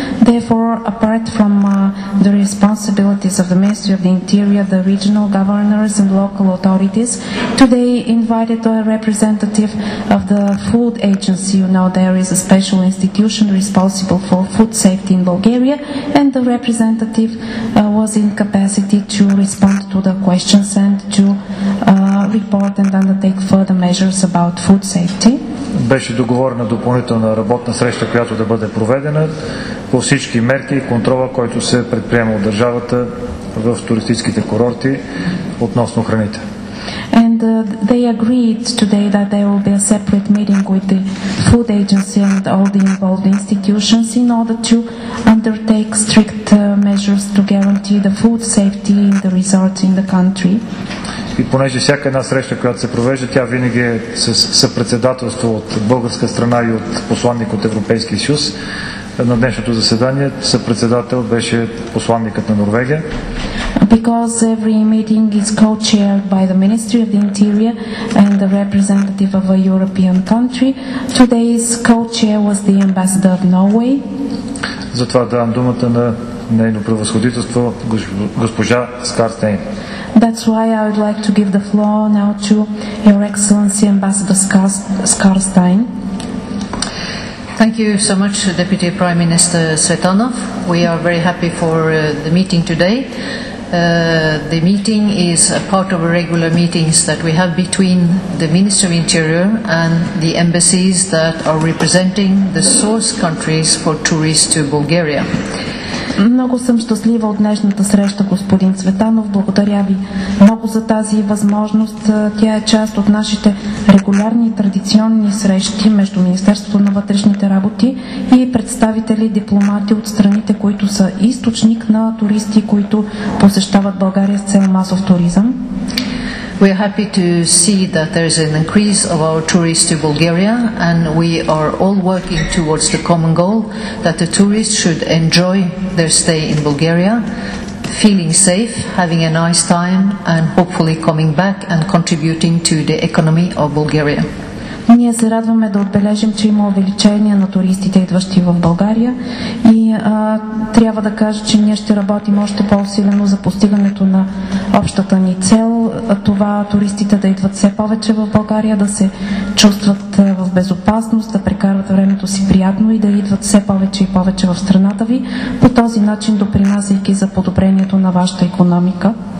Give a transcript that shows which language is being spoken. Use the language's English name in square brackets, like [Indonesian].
[English] Therefore, apart from the responsibilities of the Ministry of the Interior, the regional governors and local authorities, today invited a representative of the food agency. You know, there is a special institution responsible for food safety in Bulgaria, and the representative was in capacity to respond to the questions and to report and undertake further measures about food safety. [Bulgarian] Беше договорена допълнителна работна среща, която да бъде проведена по всички мерки и контрола, който се предприема от държавата в туристическите курорти относно храните. [English] And they agreed today that there will be a separate meeting with the food agency and all the involved institutions in order to undertake strict measures to guarantee the food safety in the resorts in the country. [Bulgarian] И понеже всяка една среща, която се провежда, тя винаги е със съпредседателство от българска страна и от посланник от Европейския съюз, на днешното заседание съпредседател беше посланникът на Норвегия. [English] Because every meeting is co-chaired by the Ministry of the Interior and the representative of a European country, today's co-chair was the ambassador of Norway. [Bulgarian] Затова давам думата на нейно превъзходителство госпожа Скарстейн. [English] That's why I would like to give the floor now to Your Excellency Ambassador Skarstein. Thank you so much, Deputy Prime Minister Svetanov. We are very happy for the meeting today. The meeting is a part of regular meetings that we have between the Minister of Interior and the embassies that are representing the source countries for tourists to Bulgaria. [Bulgarian] Много съм щастлива от днешната среща, господин Цветанов. Благодаря ви много за тази възможност. Тя е част от нашите регулярни и традиционни срещи между Министерството на вътрешните работи и представители дипломати от страните, които са източник на туристи, които посещават България с цел масов туризъм. [English] We are happy to see that there is an increase of our tourists to Bulgaria, and we are all working towards the common goal that the tourists should enjoy their stay in Bulgaria, feeling safe, having a nice time, and hopefully coming back and contributing to the economy of Bulgaria. [Bulgarian] Ние се радваме да отбележим, че има увеличение на туристите, идващи в България, и трябва да кажа, че ние ще работим още по-усилено за постигането на общата ни цел, това туристите да идват все повече в България, да се чувстват в безопасност, да прекарват времето си приятно и да идват все повече и повече в страната ви, по този начин допринасяйки за подобрението на вашата икономика.